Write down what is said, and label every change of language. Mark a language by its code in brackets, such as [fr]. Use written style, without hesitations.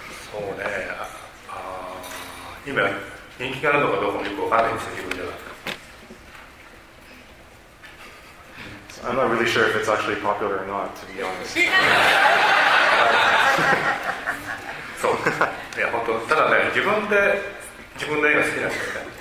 [ja] そうね、今人気があるのかどうかもよくわからないんですよ、自分では。 [en] So、I'm not really sure if it's actually popular or not, to be honest. [ja] そう、いや本当、ただね、自分の絵が好きなんですよね。